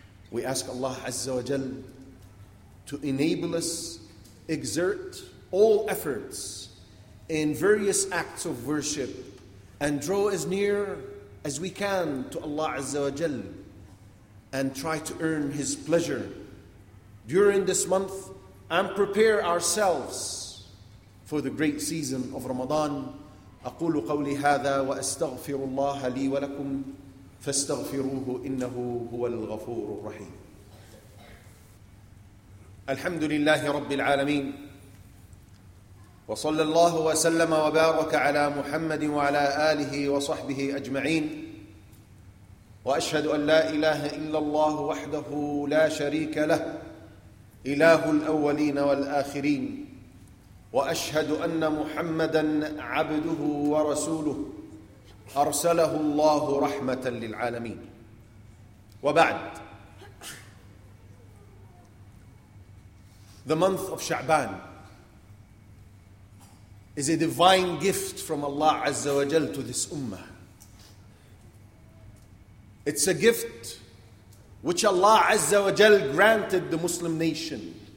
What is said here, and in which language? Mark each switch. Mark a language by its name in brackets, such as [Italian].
[English] We ask Allah Azza wa Jal to enable us exert all efforts in various acts of worship and draw as near as we can to Allah Azza wa Jal and try to earn His pleasure during this month and prepare ourselves for the great season of Ramadan. [Arabic] أقول قولي هذا وأستغفر الله لي ولكم فاستغفروه إنه هو الغفور الرحيم. الحمد لله رب العالمين وصلى الله وسلم وبارك على محمد وعلى آله وصحبه أجمعين. وأشهد أن لا إله إلا الله وحده لا شريك له، إله الأولين والآخرين، وأشهد أن محمدًا عبده ورسوله أرسله الله رحمة للعالمين. [English] وبعد، the month of Sha'ban is a divine gift from Allah عز وجل to this ummah. It's a gift which Allah عز وجل granted the Muslim nation.